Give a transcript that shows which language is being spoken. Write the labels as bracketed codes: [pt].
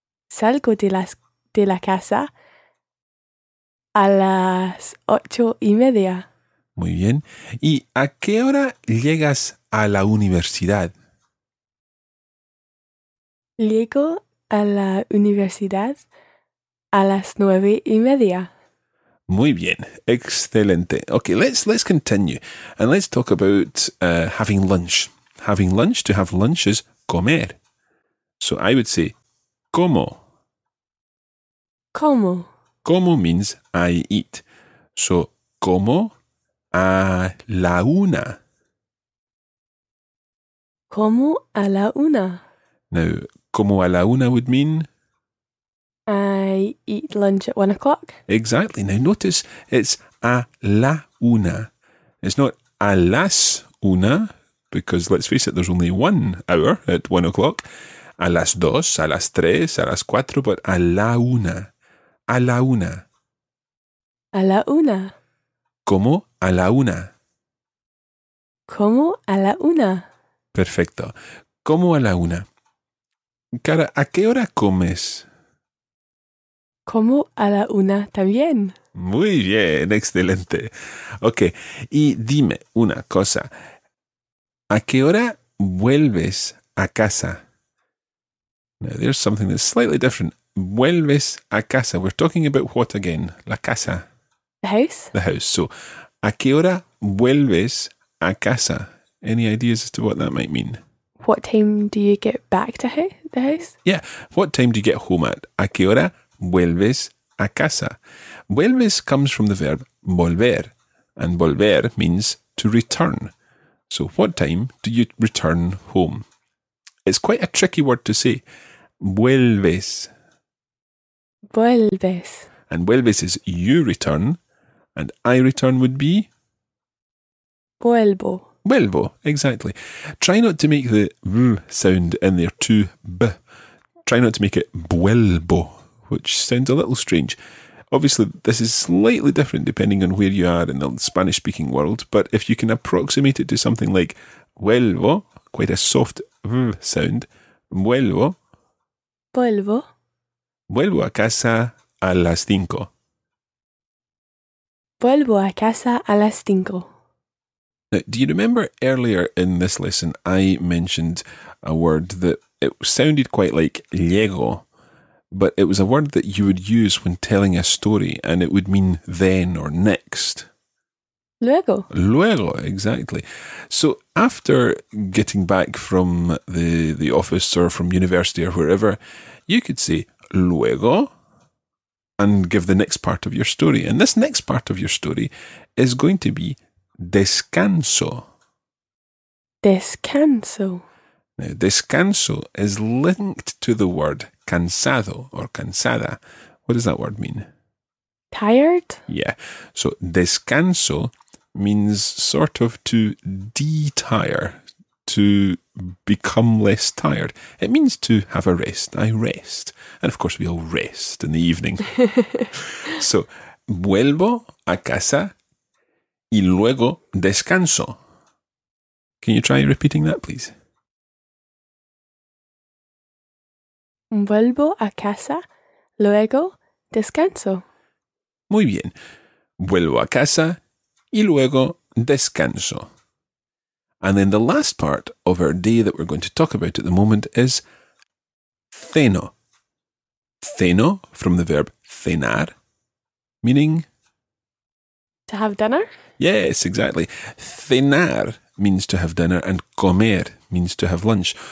[es] Salgo de la casa a las ocho y media. Muy bien. ¿Y a qué hora llegas a la universidad? Llego a la universidad a las nueve y media. Muy bien. Excelente. [en] Okay, let's continue. And let's talk about having lunch. Having lunch, to have lunch is comer. So I would say, como. [es] Como. Como [en] means I eat. So, [es] como a la una. Como a la una. [en] Now, [es] como a la una [en] would mean... I eat lunch at 1 o'clock. Exactly. Now notice it's [es] a la una. [en] It's not [es] a las una, [en] because let's face it, there's only 1 hour at 1 o'clock. [es] A las dos, a las tres, a las cuatro, [en] but [es] a la una. A la una. A la una. Como a la una. Como a la una. Perfecto. Como a la una. Cara, ¿a qué hora comes? Como a la una también. Muy bien, excelente. Ok, y dime una cosa. ¿A qué hora vuelves a casa? [en] Now, there's something that's slightly different. [es] Vuelves a casa. [en] We're talking about what again? [es] La casa. [en] The house. The house. So, [es] ¿a qué hora vuelves a casa? [en] Any ideas as to what that might mean? What time do you get back to the house? Yeah. What time do you get home at? [es] ¿A qué hora vuelves a casa? [en] Vuelves comes from the verb volver, and volver means to return. So what time do you return home? It's quite a tricky word to say. [es] Vuelves. Vuelves. [en] And vuelves is you return, and I return would be? [es] Vuelvo. Vuelvo, [en] exactly. Try not to make the v sound in there too b. Try not to make it vuelvo, which sounds a little strange. Obviously, this is slightly different depending on where you are in the Spanish-speaking world, but if you can approximate it to something like vuelvo, quite a soft v sound, vuelvo. [es] Vuelvo. Vuelvo a casa a las cinco. Vuelvo a casa a las cinco. [en] Now, do you remember earlier in this lesson I mentioned a word that it sounded quite like llego, but it was a word that you would use when telling a story and it would mean then or next. [es] Luego. Luego, [en] exactly. So after getting back from the office or from university or wherever, you could say luego and give the next part of your story. And this next part of your story is going to be descanso. [es] Descanso. [en] Now, descanso is linked to the word cansado or cansada. What does that word mean? Tired? Yeah. So, descanso means sort of to de-tire, to become less tired. It means to have a rest. I rest. And of course, we all rest in the evening. [es] So, vuelvo a casa y luego descanso. [en] Can you try repeating that, please? [es] Vuelvo a casa, luego descanso. Muy bien. Vuelvo a casa y luego descanso. [en] And then the last part of our day that we're going to talk about at the moment is ceno. Ceno, from the verb cenar, meaning to have dinner? Yes, exactly. Cenar means to have dinner and comer means to have lunch.